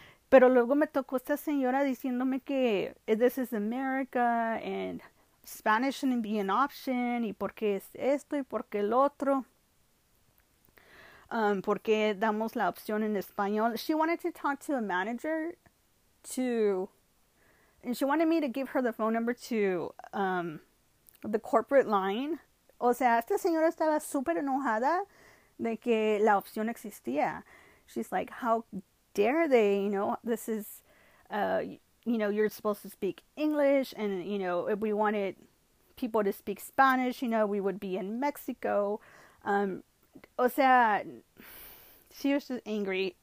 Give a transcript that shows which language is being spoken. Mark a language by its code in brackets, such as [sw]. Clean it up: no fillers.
[es] Pero luego me tocó esta señora diciéndome que this is America and Spanish shouldn't be an option, y porque es esto y porque el otro. Porque damos la opción en español. [en] She wanted to talk to a manager to, and she wanted me to give her the phone number to the corporate line. [es] O sea, esta señora estaba súper enojada de que la opción existía. [en] She's like, how dare they, this is, you're supposed to speak English, and, if we wanted people to speak Spanish, we would be in Mexico. O sea, she was just angry.